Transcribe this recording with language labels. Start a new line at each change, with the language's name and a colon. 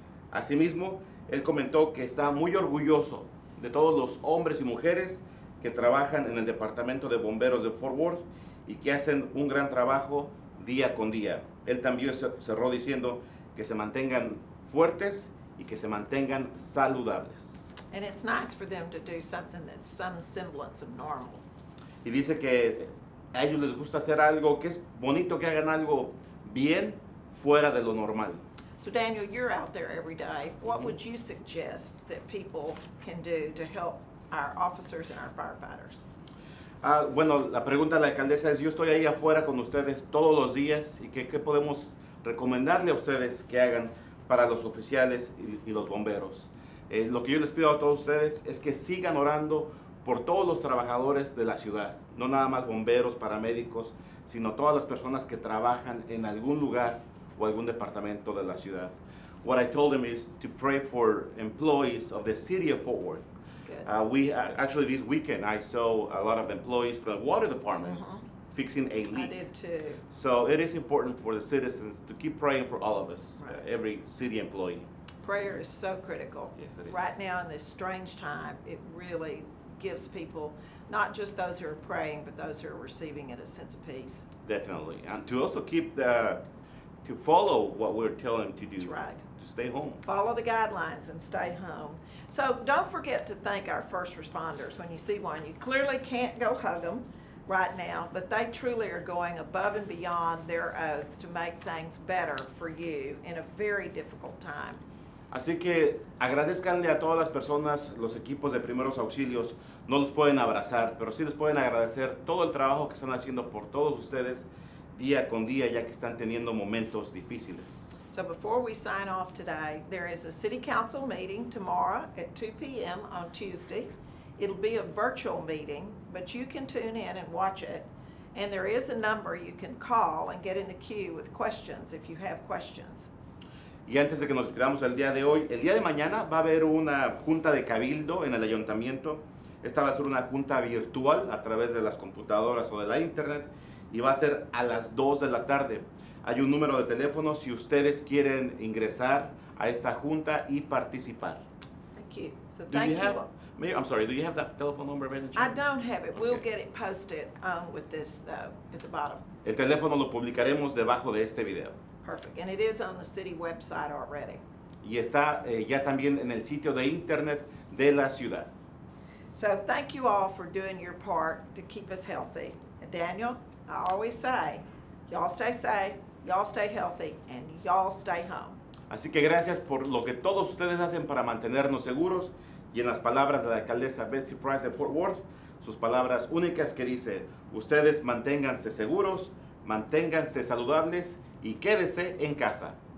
Spanish: Asimismo, él comentó que está muy orgulloso de todos los hombres y mujeres que trabajan en el Departamento de Bomberos de Fort Worth y que hacen un gran trabajo día con día. Él también cerró diciendo que se mantengan fuertes y que se mantengan saludables.
English: And it's nice for them to do something that's some semblance of normal.
Spanish: Y dice que a ellos les gusta hacer algo, que es bonito que hagan algo bien fuera de lo normal.
English: So Daniel, you're out there every day. What would you suggest that people can do to help our officers and our firefighters?
Spanish: Bueno, la pregunta de la alcaldesa es, yo estoy ahí afuera con ustedes todos los días, y qué podemos recomendarle a ustedes que hagan para los oficiales y los bomberos. Lo que yo les pido a todos ustedes es que sigan orando por todos los trabajadores de la ciudad, no nada más bomberos, paramédicos, sino todas las personas que trabajan en algún lugar o algún departamento de la ciudad.
English: What I told him is to pray for employees of the city of Fort Worth. Actually, this weekend, I saw a lot of employees from the water department fixing a leak. I did too. So it is important for the citizens to keep praying for all of us, every city employee. Prayer is so critical. Yes, it is. Right now in this strange time, it really gives people, not just those who are praying, but those who are receiving it, a sense of peace. Definitely. And to also keep the, to follow what we're telling to do. That's right. To stay home. Follow the guidelines and stay home. So don't forget to thank our first responders. When you see one, you clearly can't go hug them right now, but they truly are going above and beyond their oath to make things better for you in a very difficult time.
Spanish: Así que agradezcanle a todas las personas, los equipos de primeros auxilios, no los pueden abrazar, pero sí les pueden agradecer todo el trabajo que están haciendo por todos ustedes día con día, ya que están teniendo momentos difíciles.
English: So before we sign off today, there is a city council meeting tomorrow at 2 p.m. on Tuesday. It'll be a virtual meeting, but you can tune in and watch it. And there is a number you can call and get in the queue with questions if you have questions.
Spanish: Y antes de que nos despidamos el día de hoy, el día de mañana va a haber una junta de cabildo en el ayuntamiento. Esta va a ser una junta virtual a través de las computadoras o de la internet y va a ser a las 2 de la tarde. Hay un número de teléfono si ustedes quieren ingresar a esta junta y participar.
English: Thank you. So thank you. Mayor, I'm sorry, do you have that telephone number, Benji? I don't have it. Okay. We'll get it posted with this, though, at the bottom.
Spanish: El teléfono lo publicaremos debajo de este video.
English: Perfect. And it is on the city website already.
Spanish: Y está ya también en el sitio de internet de la ciudad.
English: So thank you all for doing your part to keep us healthy. And Daniel, I always say, y'all stay safe, y'all stay healthy, and y'all stay home.
Spanish: Así que gracias por lo que todos ustedes hacen para mantenernos seguros. Y en las palabras de la alcaldesa Betsy Price de Fort Worth, sus palabras únicas que dice, ustedes manténganse seguros, manténganse saludables y quédese en casa.